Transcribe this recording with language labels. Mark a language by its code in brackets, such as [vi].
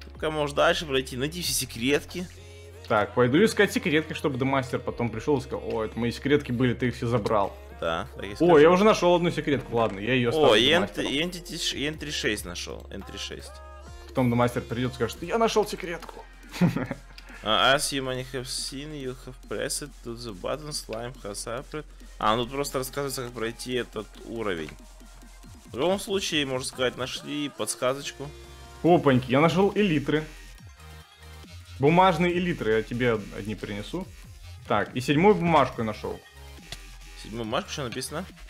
[ru] Пока можешь дальше пройти, найди все секретки. Так, пойду искать секретки, чтобы демастер потом пришел и сказал, ой, это мои секретки были, ты их все забрал. Да, так и скажу. О, я уже нашел одну секретку, ладно, я ее оставлю. О, Entity 6 нашел, Entity 6. Потом демастер придет и скажет, я нашел секретку. [en] As you may have seen, you have pressed to the button, slime has appeared. [ru] А, ну тут просто рассказывается, как пройти этот уровень. В любом случае, можно сказать, нашли подсказочку. Опаньки, я нашел элитры. Бумажные элитры, я тебе одни принесу. Так, и седьмую бумажку я нашел. Седьмую бумажку, что написано?